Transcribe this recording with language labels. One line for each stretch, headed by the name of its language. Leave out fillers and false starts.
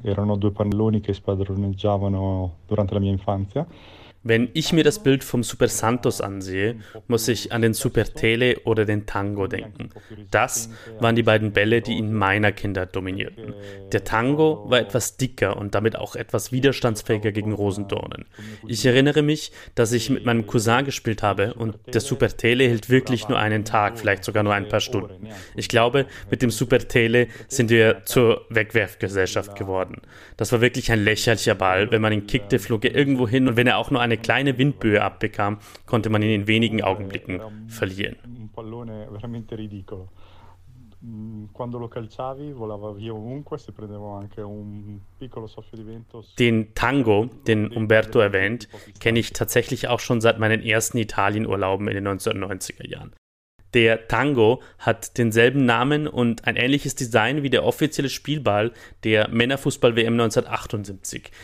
Italian: Erano due pannelloni che spadroneggiavano durante la mia infanzia.
German: Wenn ich mir das Bild vom Super Santos ansehe, muss ich an den Super Tele oder den Tango denken. Das waren die beiden Bälle, die in meiner Kindheit dominierten. Der Tango war etwas dicker und damit auch etwas widerstandsfähiger gegen Rosendornen. Ich erinnere mich, dass ich mit meinem Cousin gespielt habe und der Super Tele hält wirklich nur einen Tag, vielleicht sogar nur ein paar Stunden. Ich glaube, mit dem Super Tele sind wir zur Wegwerfgesellschaft geworden. Das war wirklich ein lächerlicher Ball. Wenn man ihn kickte, flog er irgendwo hin und wenn er auch nur eine kleine Windböe abbekam, konnte man ihn in wenigen Augenblicken verlieren.
Italian: Un pallone veramente ridicolo. Quando lo calciavi, volava via ovunque, se prendeva anche un piccolo soffio di vento.
German: Den Tango, den Umberto erwähnt, kenne ich tatsächlich auch schon seit meinen ersten Italienurlauben in den 1990er Jahren. Der Tango hat denselben Namen und ein ähnliches Design wie der offizielle Spielball der Männerfußball-WM 1978.